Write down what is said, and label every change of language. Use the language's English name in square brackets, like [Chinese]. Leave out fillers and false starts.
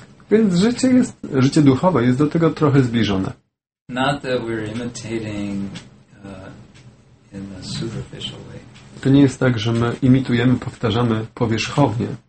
[Polish] Więc życie duchowe jest do tego trochę zbliżone. [English] Not that we're imitating in a superficial way. [Polish] To nie jest tak, że my imitujemy, powtarzamy powierzchownie.